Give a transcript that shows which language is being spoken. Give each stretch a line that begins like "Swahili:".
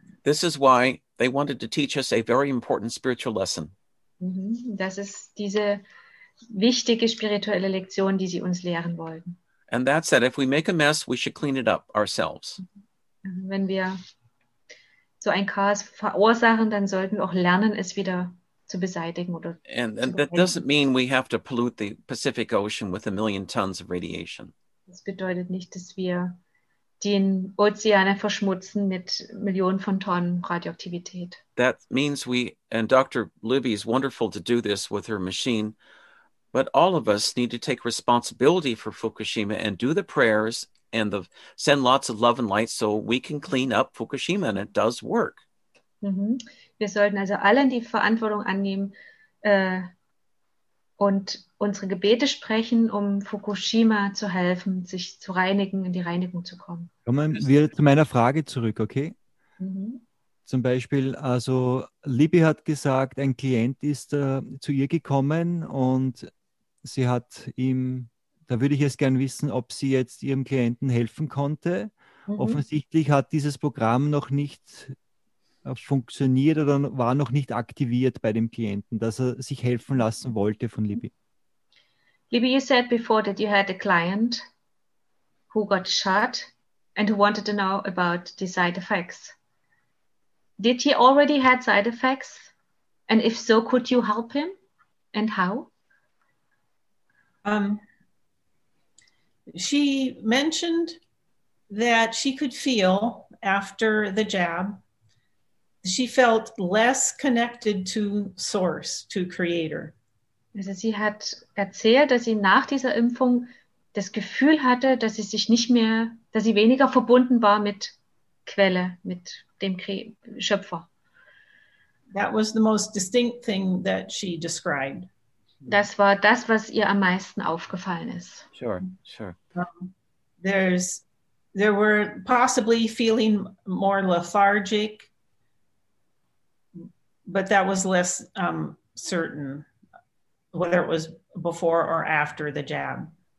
English: This is why they wanted to teach us a very important spiritual lesson. Mm-hmm.
German: Das ist diese wichtige spirituelle Lektion, die sie uns lehren wollten.
English: And that's that if we make a mess, we should clean it up ourselves.
German: Wenn wir so ein Chaos verursachen, dann sollten wir auch lernen, es wieder zu beseitigen. Oder
English: and that doesn't mean we have to pollute the Pacific Ocean with 1 million tons of radiation.
German: Das bedeutet nicht, dass wir den Ozean verschmutzen mit Millionen von Tonnen Radioaktivität.
English: That means we, and Dr. Libby is wonderful to do this with her machine, but all of us need to take responsibility for Fukushima and do the prayers and the send lots of love and light so we can clean up Fukushima, and it does work. Mm-hmm.
German: Wir sollten also allen die Verantwortung annehmen und unsere Gebete sprechen, um Fukushima zu helfen, sich zu reinigen, in die Reinigung zu kommen. Kommen wir zu meiner Frage zurück, okay? Mm-hmm. Zum Beispiel, also Libby hat gesagt, ein Klient ist zu ihr gekommen und sie hat ihm... Da würde ich jetzt gerne wissen, ob sie jetzt ihrem Klienten helfen konnte. Mhm. Offensichtlich hat dieses Programm noch nicht funktioniert oder war noch nicht aktiviert bei dem Klienten, dass er sich helfen lassen wollte von Libby.
English: Libby, you said before that you had a client who got shot and who wanted to know about the side effects. Did he already had side effects? And if so, could you help him? And how? She mentioned that she could feel after the jab, she felt less connected to source, to creator.
German: Also sie hat erzählt, dass sie nach dieser Impfung das Gefühl hatte, dass sie sich nicht mehr, dass sie weniger verbunden war mit Quelle, mit dem Schöpfer.
English: That was the most distinct thing that she described.
German: Das war das, was ihr am meisten aufgefallen ist.
English: Sure, sure. There were possibly feeling more lethargic, but that was less certain, whether it was before or after the jab.